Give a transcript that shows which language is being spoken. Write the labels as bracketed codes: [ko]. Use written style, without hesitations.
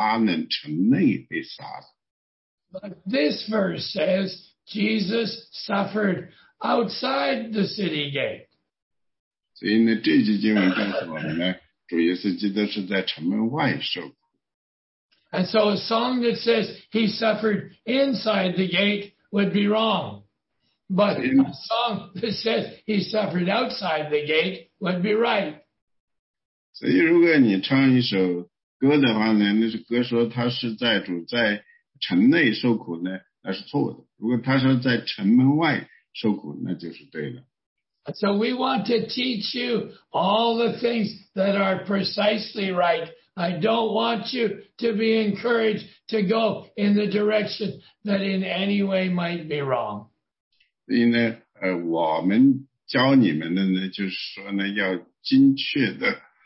[zh] 所以呢，我说呢，如果唱那首歌不明智的一个地方呢，就是因为那个歌的背后，就是它可能暗示着主耶稣基督是在耶路撒冷城内被杀的。 [en] But this verse says Jesus suffered outside the city gate. [zh] 所以呢，这句经文告诉我们呢，主耶稣基督是在城门外受。 [en] And so a song that says he suffered inside the gate would be wrong. But a song that says he suffered outside the gate would be right. [zh] 所以如果你唱一首歌的话呢，那是歌说他是在主在城内受苦呢，那是错的。如果他说在城门外受苦，那就是对的。 [en] And so we want to teach you all the things that are precisely right. I don't want you to be encouraged to go in the direction that in any way might be wrong. [zh] 所以呢，我们教你们的呢，就是说呢，要精确的。